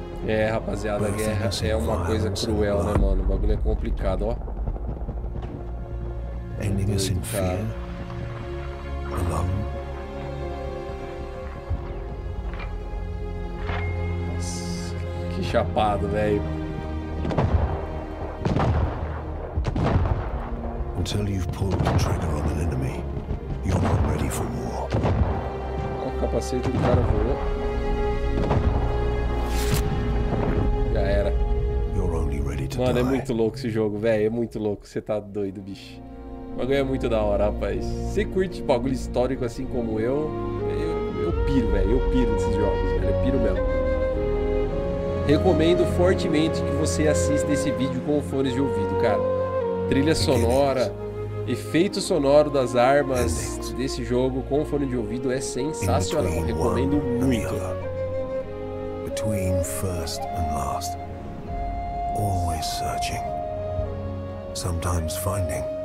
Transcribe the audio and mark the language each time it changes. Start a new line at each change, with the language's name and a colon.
Portuguese: É, rapaziada, a guerra é uma coisa cruel, né, mano? O bagulho é complicado, ó.
English: Ending us in fear. Alone.
Portuguese: Nossa, que chapado, velho.
English: until you've pulled the trigger on an enemy, you're not ready for war.
Portuguese: O capacete do cara voou. Já era.
English: You're only ready to Mano, die.
Portuguese: É muito louco esse jogo, velho. É muito louco. Você tá doido, bicho. O bagulho é muito da hora, rapaz. Você curte bagulho histórico assim como eu? Eu piro, velho. Eu piro nesses jogos, velho. Eu piro mesmo. Recomendo fortemente que você assista esse vídeo com fones de ouvido, cara. Trilha sonora, efeito sonoro das armas desse jogo com fone de ouvido é sensacional. Recomendo muito.
English: Between first and last, always searching, sometimes finding.